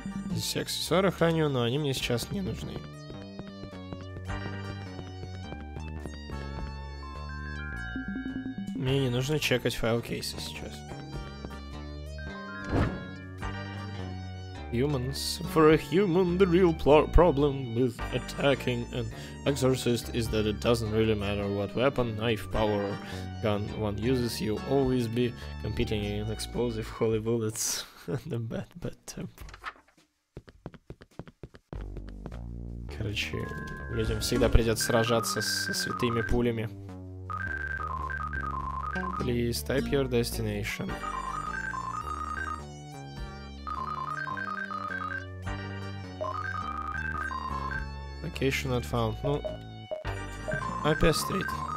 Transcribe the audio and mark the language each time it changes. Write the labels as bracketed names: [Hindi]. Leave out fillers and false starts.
[Russian] Здесь аксессуары храню, но они мне сейчас не нужны. Мне не нужно чекать файл кейса сейчас. [English] Humans. For a human, the real problem with attacking an exorcist is that it doesn't really matter what weapon, knife, power, or gun one uses, you always be competing in explosive holy bullets and a bad, bad temper. [Russian] Короче, людям всегда придется сражаться со святыми пулями. [English] Please type your destination. Location not found. Ну, Appia Street.